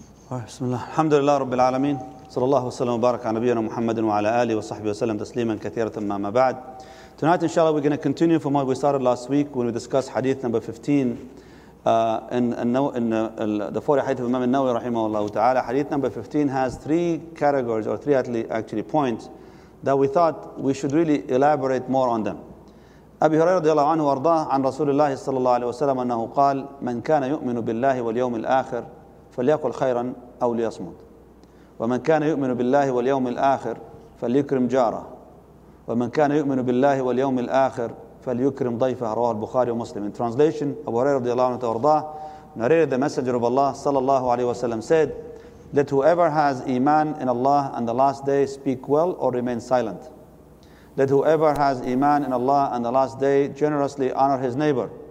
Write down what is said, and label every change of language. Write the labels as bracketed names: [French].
[Arabic] بسم الله الحمد لله رب العالمين صلى الله وسلم وبارك على نبينا محمد وعلى آله وصحبه وسلم تسليما كثيرا ما بعد. [English] Tonight, inshallah, we're going to continue from what we started last week when we discussed hadith number 15 The 40 hadith of Imam al-Nawawi rahimahullah ta'ala, hadith number 15 has three categories, or three actually points, that we thought we should really elaborate more on them. [Arabic] أبي هريرة رضي الله عنه وارضاه عن رسول الله صلى الله عليه وسلم أنه قال من كان يؤمن بالله واليوم الآخر فليقل خيرا أو ليصمت ومن كان يؤمن بالله واليوم الآخر فليكرم جاره ومن كان يؤمن بالله واليوم الآخر فليكرم ضيفه رواه البخاري ومسلم. [English] In translation, أبو هريرة [Arabic] رضي الله عنه وارضاه [English] narrated the messenger of Allah [Arabic] صلى الله عليه وسلم [English] said that whoever has iman in Allah and the last day speak well or remain silent. Let whoever has iman in Allah and the last day generously honor his neighbor.